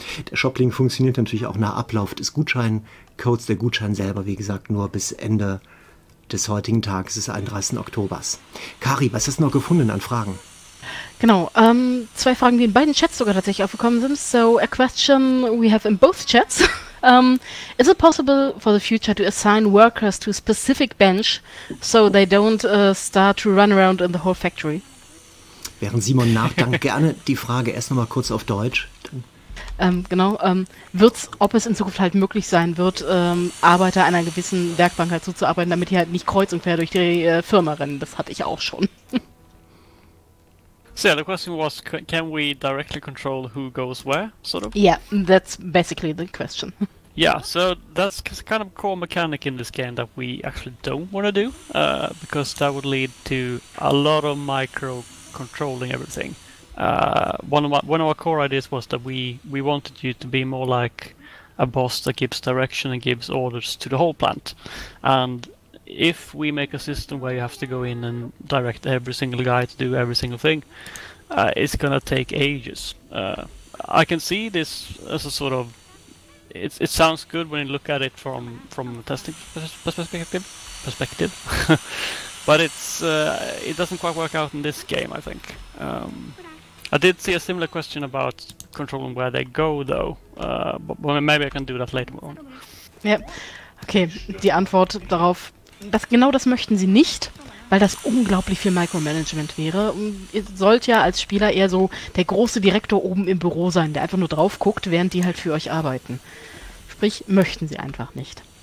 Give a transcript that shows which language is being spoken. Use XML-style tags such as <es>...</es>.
<de>Der Shoplink funktioniert natürlich auch nach Ablauf des Gutscheincodes, der Gutschein selber, wie gesagt, nur bis Ende des heutigen Tages, des 31. Oktober. Kari, was hast du noch gefunden an Fragen? Genau, zwei Fragen, die in beiden Chats sogar tatsächlich aufgekommen sind.</de> <en>So, a question we have in both chats. Is it possible for the future to assign workers to a specific bench so they don't start to run around in the whole factory?</en> <de>Während Simon nachdenkt, gerne die Frage erst nochmal kurz auf Deutsch. Ob es in Zukunft halt möglich sein wird, Arbeiter einer gewissen Werkbank halt zuzuarbeiten, damit die halt nicht kreuz und quer durch die Firma rennen. Das hatte ich auch schon.</de> <en>So, the question was, can we directly control who goes where, sort of? Yeah, that's basically the question. Yeah, so that's kind of a core mechanic in this game that we actually don't want to do, because that would lead to a lot of micro-controlling everything. One of our core ideas was that we wanted you to be more like a boss that gives direction and gives orders to the whole plant. And if we make a system where you have to go in and direct every single guy to do every single thing, it's gonna take ages. I can see this as a sort of... It sounds good when you look at it from a testing perspective. But it doesn't quite work out in this game, I think. I did see a similar question about controlling where they go, though. But maybe I can do that later on. Yeah.</en> <de>Okay, die Antwort darauf, das, genau das möchten sie nicht, weil das unglaublich viel Micromanagement wäre. Ihr sollt ja als Spieler eher so der große Direktor oben im Büro sein, der einfach nur drauf guckt, während die halt für euch arbeiten. Sprich, möchten sie einfach nicht.</de>